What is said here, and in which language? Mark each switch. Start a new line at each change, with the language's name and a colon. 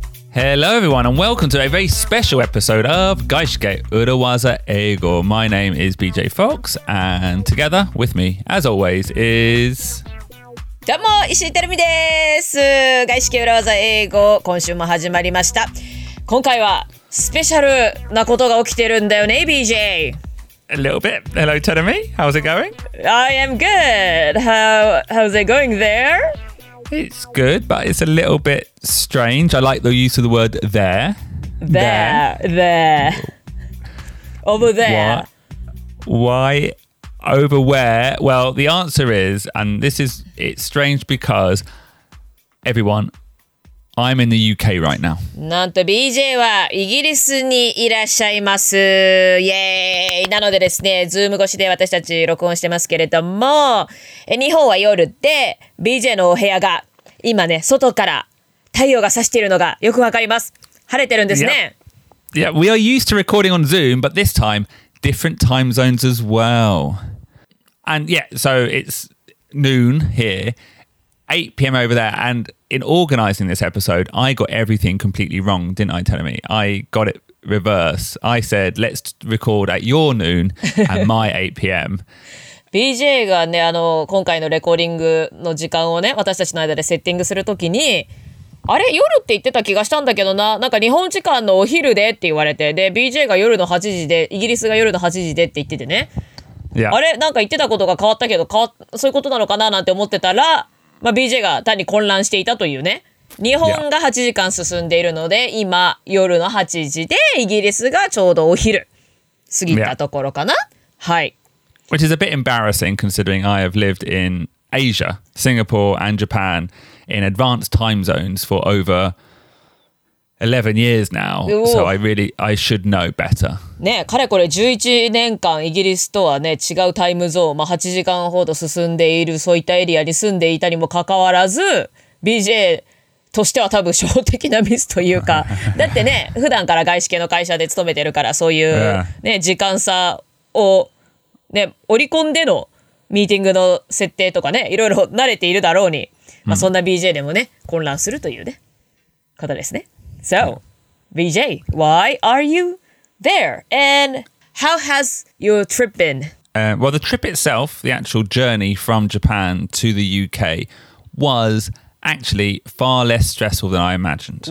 English: Hello everyone and welcome to a very special episode of Gaishke Urawaza Eigo. My name is BJ Fox and together with me, as always, is...
Japanese: どうも、石井てるみです。外資系裏技英語、今週も始まりました。今回はスペシャルなことが起きてるんだよね、BJ。
English: A little bit. Hello, Terumi. How's it going? I am good. How's it going there? It's good, but it's a little bit strange. I like the use of the word there. There. Over there. Why? Over where? Well, the answer is, and this is, it's strange because everyone, I'm in the UK right now.
Japanese: なんと BJ はイギリスにいらっしゃいます。イエーイ。なのでですね、Zoom 越しで私たち録音してますけれども、日本は夜で BJ のお部屋が今ね、外から太陽が差しているのがよくわかります。晴れてるんですね。
English: Yeah, we are used to recording on Zoom, but this time,different time zones as well. And yeah, so it's noon here, 8 p.m. over there. And in organizing this episode, I got everything completely wrong, didn't I, Telemi? I got it reverse. I said, let's record at your noon and my 8 p.m.
Japanese: BJ がね、あの、今回のレコーディングの時間をね、私たちの間でセッティングするときに、あれ夜って言ってた気がしたんだけどな、なんか日本時間のお昼でって言われて、で BJ が夜の8時でイギリスが夜の8時でって言っててね、yeah. あれなんか言ってたことが変わったけど、そういうことなのかななんて思ってたら、まあ、BJ が単に混乱していたというね。日本が8時間進んでいるので、yeah. 今夜の8時でイギリスがちょうどお昼過ぎたところかな、yeah. はい。
English: Which is a bit embarrassing considering I have lived in Asia, Singapore and JapanIn advanced time zones for over 11 years now. So I should know better.
Japanese: ね、かれこれ11年間イギリスとはね、違うタイムゾーン、まあ、8時間ほど進んでいるそういったエリアに住んでいたにもかかわらず、BJ としては多分初歩的なミスというか、だってね、普段から外資系の会社で勤めてるから、そういう、ね、時間差をね、織り込んでのミーティングの設定とかね、いろいろ慣れているだろうに。まあ、そんな BJ でもね、混乱するというね、方ですね。
English: So, BJ, why are you there? And how has your trip been? Well, the trip itself, the actual journey from Japan to the UK, was actually far less stressful than I imagined.